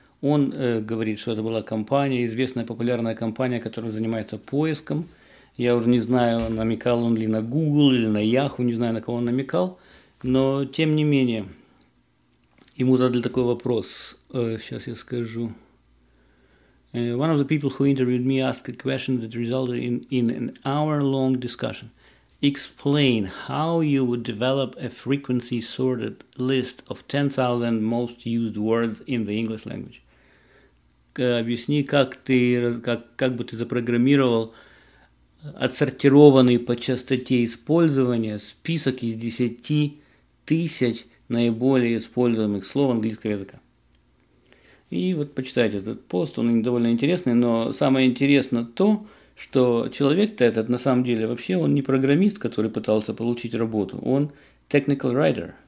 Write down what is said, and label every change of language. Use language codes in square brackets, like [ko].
[ru] Он говорит, что это была компания, известная популярная компания, которая занимается поиском. Я уже не знаю, намекал он ли на Google или на Yahoo, не знаю, на кого он намекал. Но, тем не менее, ему задали такой вопрос. Сейчас я скажу. [en] One of the people who interviewed me asked a question that resulted in an hour-long discussion. Explain how you would develop a frequency-sorted list of 10,000 most used words in the English language. [ru] Объясни, как бы ты запрограммировал отсортированный по частоте использования список из 10 000 наиболее используемых слов английского языка. И вот почитайте этот пост, он довольно интересный, но самое интересное то, что человек-то этот на самом деле вообще он не программист, который пытался получить работу, он technical writer.